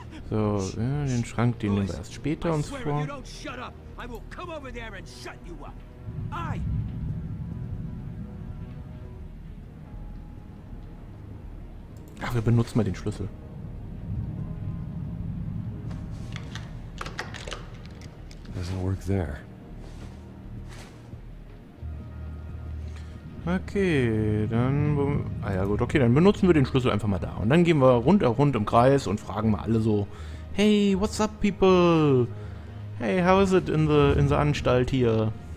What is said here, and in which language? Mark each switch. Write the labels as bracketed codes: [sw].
[de] So, den Schrank, den nehmen wir erst später uns vor. [en] I swear, if you don't shut up, I will come over there and shut you up! I... [de] Ach, wir benutzen mal den Schlüssel. [en] Doesn't work there. [de] Okay, dann... Ah ja, gut, okay, dann benutzen wir den Schlüssel einfach mal da. Und dann gehen wir rund im Kreis und fragen mal alle so... [en] Hey, what's up, people? Hey, how is it in the [de] Anstalt hier?